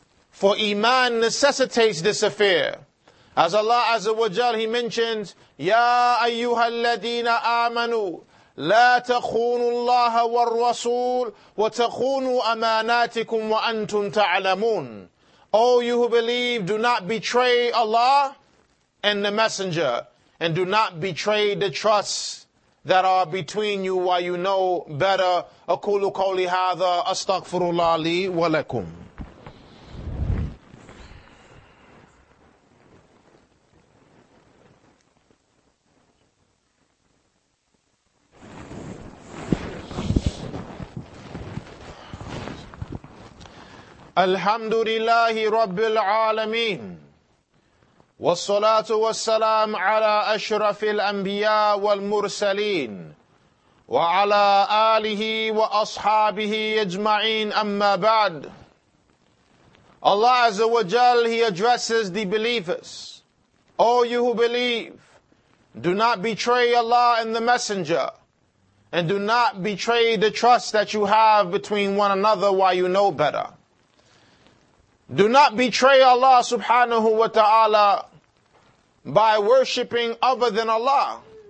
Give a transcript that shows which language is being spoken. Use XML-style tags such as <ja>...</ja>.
<en>For Iman necessitates this affair. As Allah Azza wa Jal, He mentions,</en> <ar>Ya ayyuha alladhina amanu, لا تخونوا الله والرسول وتخونوا أماناتكم وأنتم تعلمون.</ar> <en>O you who believe, do not betray Allah and the Messenger, and do not betray the trust that are between you while you know better.</en> <ar>أقول قولي هذا أستغفر الله لي ولكم. الحمد لله رب العالمين والصلاة والسلام على أشرف الأنبياء والمرسلين وعلى آله وأصحابه أجمعين أما بعد.</ar> <en>Allah Azza wa Jal, He addresses the believers. O you who believe, do not betray Allah and the Messenger, and do not betray the trust that you have between one another while you know better. Do not betray Allah subhanahu wa ta'ala by worshipping other than Allah.</en>